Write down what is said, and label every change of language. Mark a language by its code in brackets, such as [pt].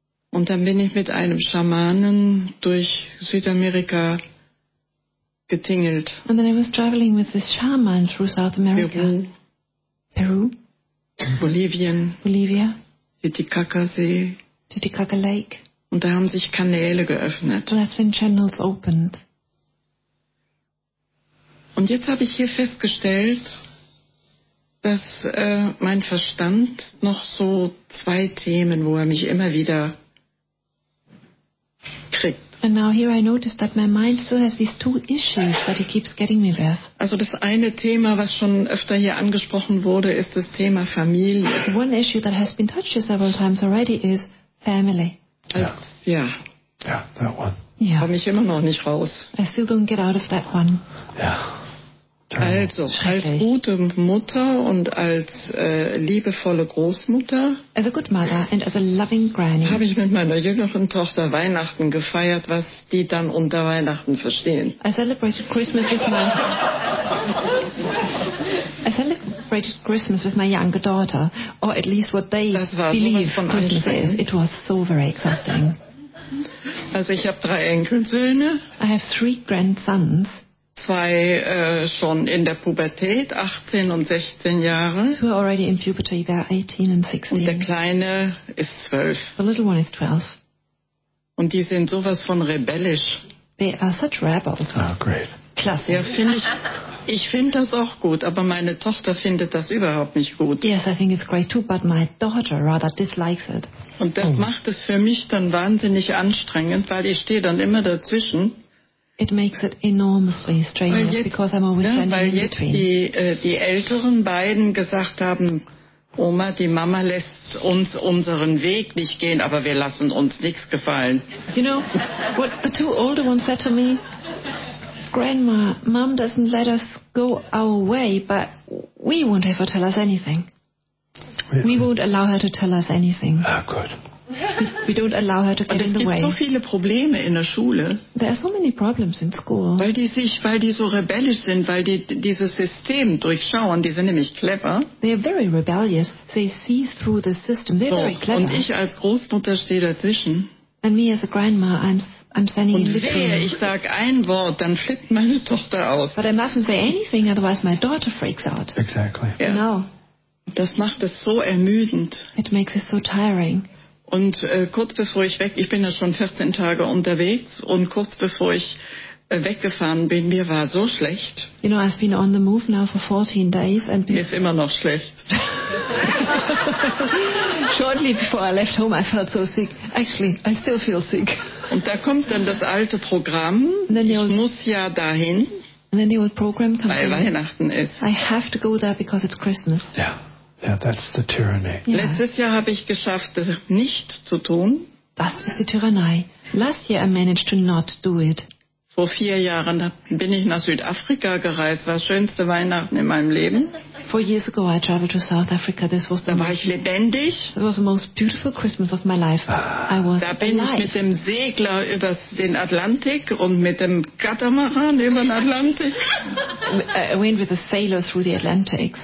[de] Und dann bin ich mit einem Schamanen durch Südamerika getingelt. [en] And then I was traveling with this shaman through South America. [de] Peru. Bolivien. [en] Bolivia. [de] Titicacasee. [en] Titicaca Lake. [de] Und da haben sich Kanäle geöffnet. [en] And that's when channels opened. [de] Und jetzt habe ich hier festgestellt, dass mein Verstand noch so zwei Themen, wo er mich immer wieder kriegt. [en] And now here I notice that my mind still has these two issues that he keeps getting me with. [de] Also das eine Thema, was schon öfter hier angesprochen wurde, ist das Thema Familie. [en] One issue that has been touched several times already is family. [de] Ja. [en] Ja, that one. [de] Ja. Komme ich immer noch nicht raus. [en] I still don't get out of that one. [de] Ja. Also, als gute Mutter und als liebevolle Großmutter. [en] As a good mother and as a loving granny. [de] Habe ich mit meiner jüngeren Tochter Weihnachten gefeiert, was die dann unter Weihnachten verstehen. [en] I celebrated Christmas with my younger daughter, or at least what they believe Christmas is. It was so very exhausting. [de] Also ich habe 3 Enkelsöhne. [en] I have 3 grandsons. [de] 2 schon in der Pubertät, 18 und 16 Jahre. [en] 2 already in puberty, they're 18 and 16. [de] Und der Kleine ist 12. [en] The little one is 12. [de] Und die sind sowas von rebellisch. [en] They are such rebels. Ah, oh, great. [de] Klasse. Ja, ich finde das auch gut, aber meine Tochter findet das überhaupt nicht gut. [en] Yes, I think it's great too, but my daughter rather dislikes it. [de] Und das macht es für mich dann wahnsinnig anstrengend, weil ich stehe dann immer dazwischen. [en] It makes it enormously strenuous [de] jetzt, [en] because I'm always standing in between. [de] Weil jetzt die älteren beiden gesagt haben, Oma, die Mama lässt uns unseren Weg nicht gehen, aber wir lassen uns nichts gefallen. [en] You know, what the two older ones said to me, Grandma, Mom doesn't let us go our way, but we won't have her tell us anything. We won't allow her to tell us anything. Ah, good. We don't allow her to get in the way. [de] Es gibt so viele Probleme in der Schule. [en] There are so many problems in school. [de] Weil die so rebellisch sind, weil die dieses System durchschauen. Die sind nämlich clever. [en] They are very rebellious. They see through the system. They're very clever. [de] Und ich als Großmutter stehe dazwischen. [en] And me as a grandma, I'm standing in between. [de] Und wehe, ich sag ein Wort, dann flippt meine Tochter aus. [en] But I mustn't say anything, otherwise my daughter freaks out. Exactly. Yeah. No. [de] Das macht es so ermüdend. [en] It makes it so tiring. [de] Und kurz bevor ich bin ja schon 14 Tage unterwegs, und kurz bevor ich weggefahren bin, mir war so schlecht. [en] You know, I've been on the move now for 14 days. And [de] mir ist immer noch schlecht. [en] Shortly before I left home, I felt so sick. Actually, I still feel sick. [de] Und da kommt dann das alte Programm. Ich muss ja dahin. [en] And then the old program comes [de] weil Weihnachten ist. [en] I have to go there because it's Christmas. Ja. Yeah. Yeah, that's the tyranny. Yeah. [de] Letztes Jahr habe ich geschafft, das nicht zu tun. Das ist die Tyrannei. [en] Last year I managed to not do it. [de] Vor 4 Jahren bin ich nach Südafrika gereist. War das schönste Weihnachten in meinem Leben. [en] 4 years ago I traveled to South Africa. This was the [de] da war ich lebendig. [en] It was the most beautiful Christmas of my life. I was [de] da bin [en] alive. [de] Ich mit dem Segler über den Atlantik und mit dem Katamaran über den Atlantik. [en] I went with a sailor through the Atlantic.